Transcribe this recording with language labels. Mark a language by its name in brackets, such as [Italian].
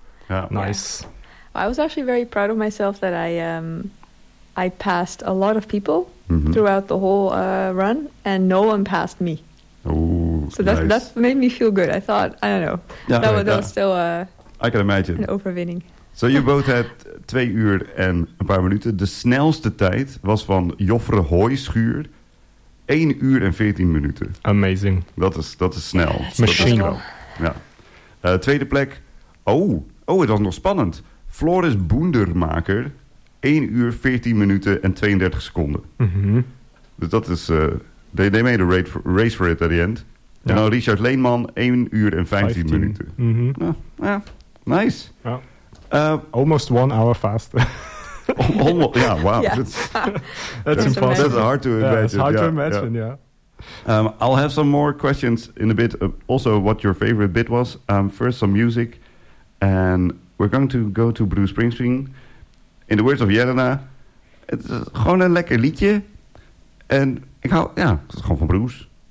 [English] Yeah. Nice. Yeah. I was actually very proud of myself that I passed a lot of people mm-hmm. throughout the whole run, and no one passed me. Ooh, so that's nice. That made me feel good. I thought, I don't know, that was still I can imagine. An overwinning. So you both had [Dutch] 2 uur en een paar minuten. De snelste tijd was van Joffre Hooischuur 1 uur en 14 minuten. [English] Amazing. [Dutch] Dat is snel. [English] Machine. [Dutch] Ja. Tweede plek. Oh, het was nog spannend. Floris Boendermaker. 1 uur, 14 minuten en 32 seconden. Mm-hmm. Dus dat is... [English] they made a race for it at the end. [Dutch] Ja. En dan Richard Leenman. 1 uur en 15 minuten. Mm-hmm. Ja, nice. [English] Ja. Almost 1 hour faster. Almost, yeah, wow. Yeah. That's impossible. That's hard to imagine. It's hard to imagine, yeah. I'll have some more questions in a bit. Also, what your favorite bit was. First, some music. And we're going to go to Bruce Springsteen. In the words of Jelena, it's [Dutch] gewoon een lekker liedje. En ik hou, ja, het is gewoon van Bruce.